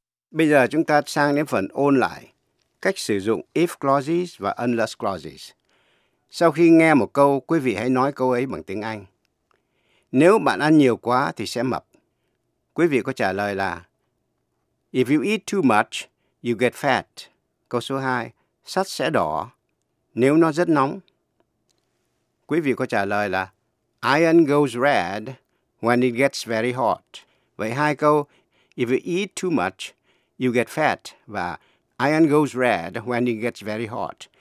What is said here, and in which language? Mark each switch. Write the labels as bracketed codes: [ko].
[vi] Bây giờ chúng ta sang đến phần ôn lại cách sử dụng if clauses và unless clauses. Sau khi nghe một câu, quý vị hãy nói câu ấy bằng tiếng Anh. Nếu bạn ăn nhiều quá thì sẽ mập. Quý vị có trả lời là [en] If you eat too much, you get fat. [vi] Câu số 2, sắt sẽ đỏ nếu nó rất nóng. Quý vị có trả lời là [en] iron goes red when it gets very hot. [vi] Vậy hai câu [en] if you eat too much, you get fat và iron goes red when it gets very hot.